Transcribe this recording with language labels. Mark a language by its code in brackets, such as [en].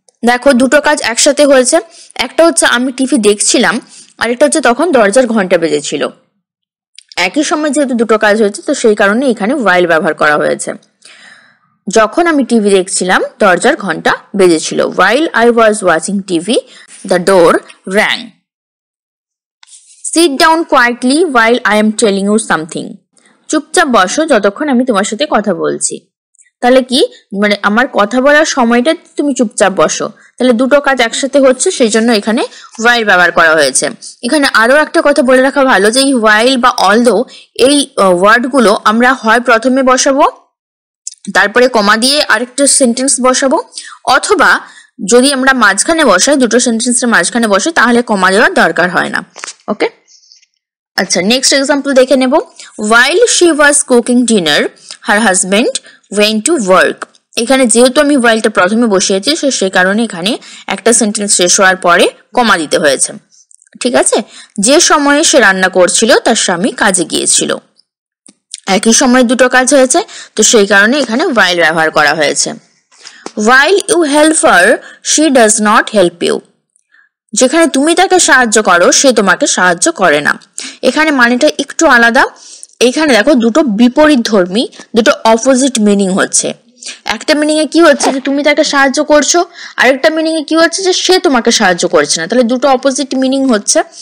[bn] দেখো, দুটো কাজ একসাথে হয়েছে। একটা হচ্ছে আমি টিভি দেখছিলাম, আর একটা হচ্ছে তখন দরজার ঘন্টা বেজেছিল। একই সময় যেহেতু দুটো কাজ হয়েছে, তো সেই কারণে এখানে ওয়াইল ব্যবহার করা হয়েছে। যখন আমি টিভি দেখছিলাম, দরজার ঘন্টা বেজেছিল। [en] While I was watching TV The door rang. Sit down quietly while I am telling you something. [bn] চুপচাপ বসো যতক্ষণ আমি তোমার সাথে কথা বলছি। তাহলে কি মানে, আমার কথা বলার সময়টা তুমি চুপচাপ বসো। তাহলে দুটো কাজ একসাথে হচ্ছে, সেই জন্য এখানে ওয়াইল ব্যবহার করা হয়েছে। এখানে আরো একটা কথা বলে রাখা ভালো, যে এই ওয়াইল বা অলদো এই ওয়ার্ডগুলো আমরা হয় প্রথমে বসাবো, তারপরে কমা দিয়ে আরেকটা সেন্টেন্স বসাবো, অথবা যদি আমরা মাঝখানে বসাই, দুটো সেন্টেন্সের মাঝখানে বসাই, তাহলে কমা দেওয়ার দরকার হয় না। ওকে, আচ্ছা নেক্সট এক্সাম্পল দেখে নেব। [en] While she was cooking dinner her husband went to work. [bn] এখানে যেহেতু আমি হোয়াইলটা প্রথমে বসিয়েছি, সো সেই কারণে এখানে একটা সেন্টেন্স শেষ হওয়ার পরে কমা দিতে হয়েছে। ঠিক আছে, যে সময়ে সে রান্না করছিল তার স্বামী কাজে গিয়েছিল। একই সময়ে দুটো কাজ হয়েছে, তো সেই কারণে এখানে হোয়াইল ব্যবহার করা হয়েছে। [en] While you help her, she does not help you. [bn] যেখানে তুমি তাকে সাহায্য করো, সে তোমাকে সাহায্য করে না। এখানে মানেটা একটু আলাদা। এখানে দেখো, দুটো বিপরীত ধর্মী, দুটো অপোজিট মিনিং হচ্ছে। একটা মিনিংয়ে কি হচ্ছে যে তুমি তাকে সাহায্য করছো, আরেকটা মিনিংয়ে কি হচ্ছে যে সে তোমাকে সাহায্য করছে না। তাহলে দুটো অপোজিট মিনিং হচ্ছে।